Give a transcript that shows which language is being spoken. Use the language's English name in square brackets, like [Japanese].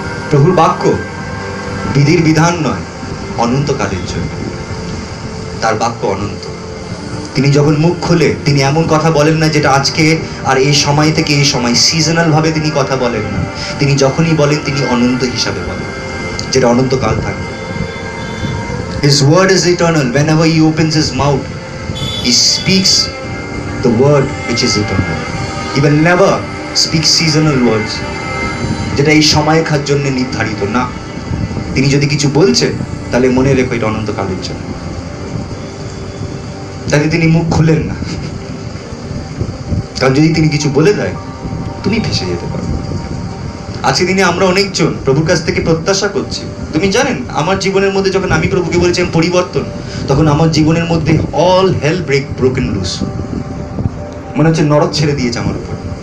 [Bangla] প্রভুর বাক্য বিধির বিধান নয়, অনন্তকালের জন্য। তার বাক্য অনন্ত, তিনি যখন মুখ খোলে তিনি এমন কথা বলেন না যেটা আজকে আর এই সময় থেকে এই সময় সিজনাল ভাবে তিনি কথা বলেন না। তিনি যখনই বলেন তিনি অনন্ত হিসাবে বলেন, যেটা অনন্তকাল থাকবে। [English] His word is eternal. Whenever he opens his mouth, he speaks the word which is eternal. He will never speak seasonal words. [Bangla] যেটা এই সময় খার জন্য নির্ধারিত না। তিনি যদি কিছু বলছে তাহলে মনে রেখো এটা অনন্তকালের জন্য। তাহলে তিনি মুখ খুলেন না, কারণ যদি তিনি কিছু বলে দেয় তুমি ফেসে যেতে পারো। আজকে দিনে আমরা অনেকজন প্রভুর কাছ থেকে প্রত্যাশা করছি, তুমি জানেন আমার জীবনের মধ্যে যখন আমি প্রভুকে বলেছি আমি পরিবর্তন, তখন আমার জীবনের মধ্যে [English] all hell break broken loose, [Bangla] মনে হচ্ছে নরক ছেড়ে দিয়েছে আমার উপর।